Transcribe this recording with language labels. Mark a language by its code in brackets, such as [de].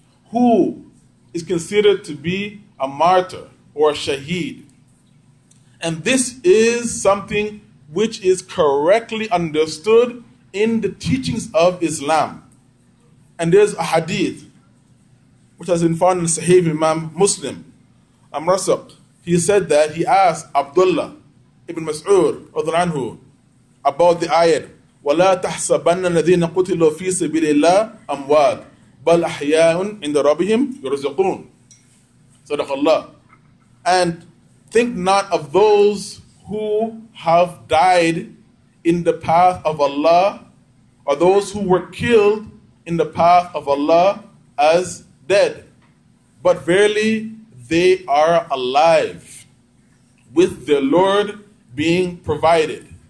[en] Who is considered to be a martyr or a shaheed? And this is something which is correctly understood in the teachings of Islam. And there's a hadith which has been found in Sahih Imam Muslim, Amr Rasab. He said that he asked Abdullah Ibn Mas'ud radhiyallahu anhu about the ayat, [ar] وَلَا تَحْسَبَنَّ الَّذِينَ قُتِلُوا فِي سَبِيلِ اللَّهِ أَمْوَاتٍ بَلْ أَحْيَاءٌ عِنْدَ رَبِّهِمْ يُرْزَقُونَ صدق الله. [en] And think not of those who have died in the path of Allah, or those who were killed in the path of Allah, as dead, but verily they are alive with their Lord being provided.